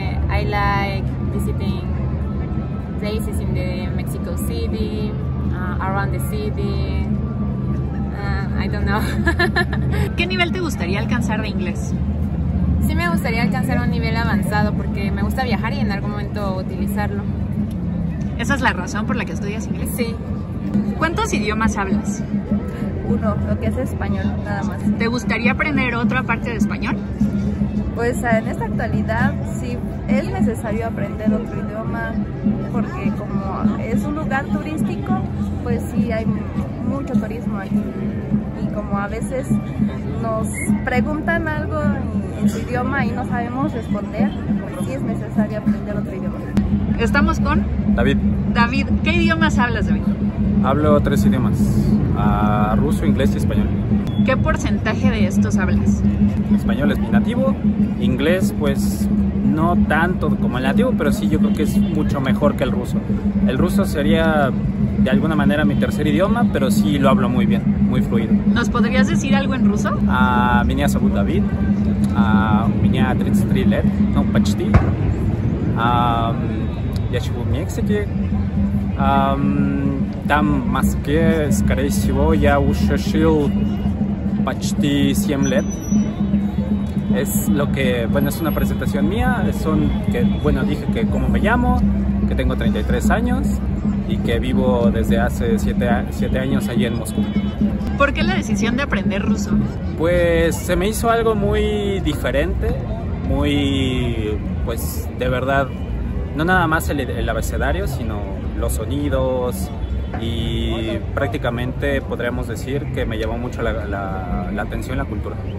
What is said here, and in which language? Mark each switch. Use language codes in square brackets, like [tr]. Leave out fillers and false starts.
[en] I like visiting places in the Mexico City, around the city, I don't know. [es] ¿Qué nivel te gustaría alcanzar de inglés? Sí, me gustaría alcanzar un nivel avanzado porque me gusta viajar y en algún momento utilizarlo. ¿Esa es la razón por la que estudias inglés? Sí. ¿Cuántos idiomas hablas? Uno, lo que es español, nada más. ¿Te gustaría aprender otro aparte de español? Pues en esta actualidad sí es necesario aprender otro idioma porque como es un lugar turístico, pues sí hay mucho turismo aquí y como a veces nos preguntan algo en su idioma y no sabemos responder, pues sí es necesario aprender otro idioma. Estamos con David. David, ¿qué idiomas hablas, David? Hablo tres idiomas, ruso, inglés y español. ¿Qué porcentaje de estos hablas? Español es mi nativo, inglés pues no tanto como el nativo, pero sí yo creo que es mucho mejor que el ruso. El ruso sería de alguna manera mi tercer idioma, pero sí lo hablo muy bien, muy fluido. ¿Nos podrías decir algo en ruso? [ru] Меня зовут David, меня 33 лет, ну почти, я живу в Мексике. там в Москве, скорее всего, я уже жил почти 7 лет. [es] Es lo que, bueno, es una presentación mía, son que, bueno, dije que cómo me llamo, que tengo 33 años y que vivo desde hace 7 años allí en Moscú. ¿Por qué la decisión de aprender ruso? Pues se me hizo algo muy diferente, muy, pues de verdad, no nada más el abecedario, sino los sonidos y prácticamente podríamos decir que me llamó mucho la atención la cultura.